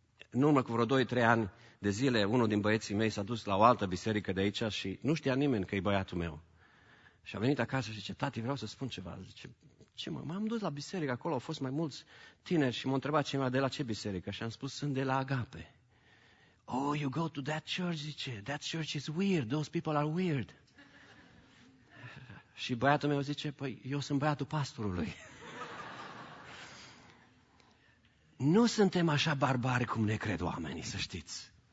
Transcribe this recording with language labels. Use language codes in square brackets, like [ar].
[ro] În urmă cu vreo 2-3 ani de zile, unul din băieții mei s-a dus la o altă biserică de aici și nu știa nimeni că e băiatul meu. Și a venit acasă și zice, tati, vreau să spun ceva. Zice, ce mă, m-am dus la biserică, acolo au fost mai mulți tineri și m-a întrebat cineva, de la ce biserică? Și am spus, sunt de la Agape. [en] Oh, you go to that church, [ro] zice, [en] that church is weird, those people are weird. [ro] Și băiatul meu zice, păi, eu sunt băiatul pastorului. Nu suntem așa barbari cum ne cred oamenii, să știți.